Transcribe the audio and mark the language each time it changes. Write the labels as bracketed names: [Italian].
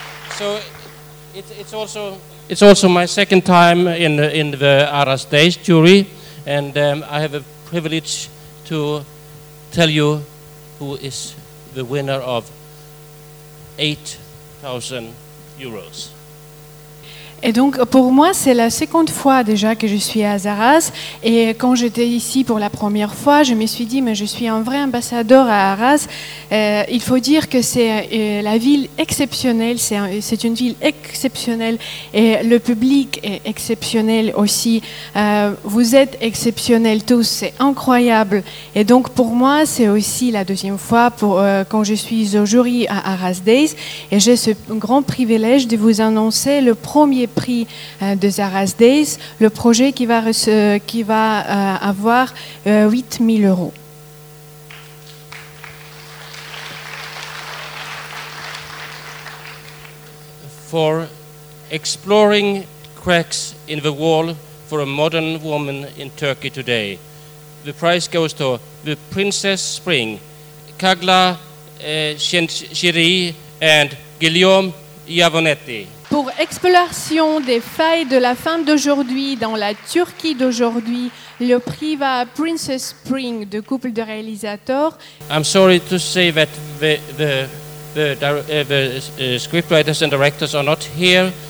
[English] So it's also my second time in the Arras Days jury, and I have a privilege to tell you who is the winner of €8,000. [French] Et donc pour moi c'est la seconde fois déjà que je suis à Arras, et quand j'étais ici pour la première fois je me suis dit mais je suis un vrai ambassadeur à Arras. Il faut dire que c'est la ville exceptionnelle, c'est une ville exceptionnelle et le public est exceptionnel aussi. Vous êtes exceptionnels tous, c'est incroyable. Et donc pour moi c'est aussi la deuxième fois pour quand je suis au jury à Arras Days, et j'ai ce grand privilège de vous annoncer le premier prix de Arras Days, le projet qui va avoir 8 000 €. [English] For exploring cracks in the wall for a modern woman in Turkey today, the prize goes to the Princess Spring, Kagla Şentşiri and Guillaume Yavonetti. [French] Pour exploration des failles de la femme d'aujourd'hui dans la Turquie d'aujourd'hui, le prix va à Princess Spring, de couple de réalisateurs. [English] I'm sorry to say that the scriptwriters and directors are not here.